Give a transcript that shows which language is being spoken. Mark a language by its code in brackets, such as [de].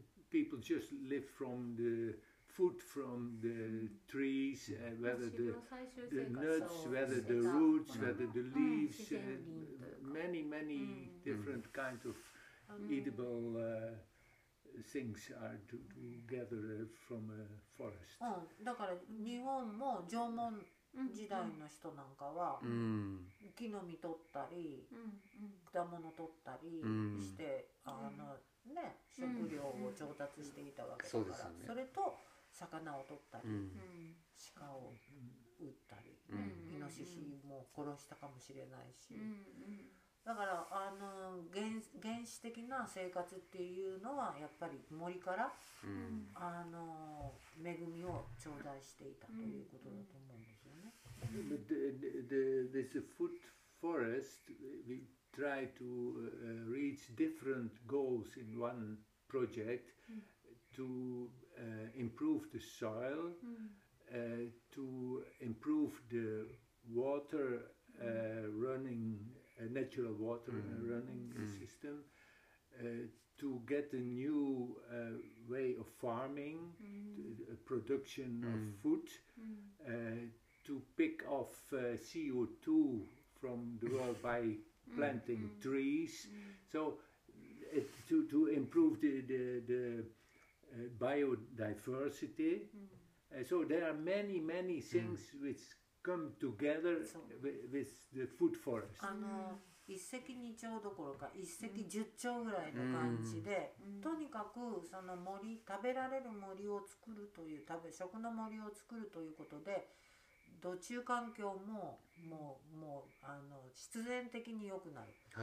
[en] people just live from the food from the trees, whether the nuts, whether the roots, whether the leaves, many different kinds of edible things are to gather from a forest. [ja] だから日本も縄文時代の人なんかは木の実取ったり果物取ったりしてあのね食料を調達していたわけだから、それと魚を取ったり、鹿を撃ったり、イノシシも殺したかもしれないし、だからあの原始的な生活っていうのはやっぱり森から、あの恵みを頂戴していたということだと思うんですよね。 [en] This food forest, we try to reach different goals in one project to improve the soil, to improve the water running, natural water running system, to get a new way of farming, production of food, to pick off CO2 from the world by planting trees, so to improve the biodiversity. So there are many things which come together with the food forest. [ja] あの一石二鳥どころか一石十鳥ぐらいの感じで、とにかくその森、食べられる森を作るという、食の森を作るということで、土中環境ももうあの必然的に良くなる、